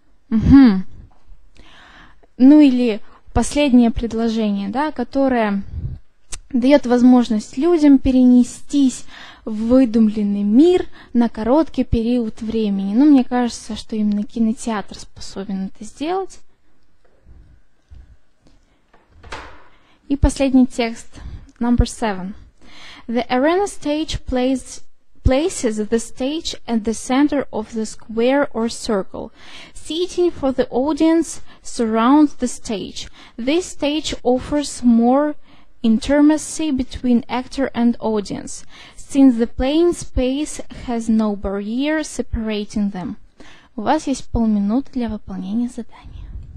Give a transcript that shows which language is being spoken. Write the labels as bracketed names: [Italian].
[Russian] Угу. Ну или последнее предложение, да, которое дает возможность людям перенестись в выдумленный мир на короткий период времени. Ну, мне кажется, что именно кинотеатр способен это сделать. И последний текст, [English] number seven. The arena stage places the stage at the center of the square or circle. Seating for the audience surrounds the stage. This stage offers more intimacy between actor and audience, since the playing space has no barrier separating them. [Russian] У вас есть полминуты для выполнения задания.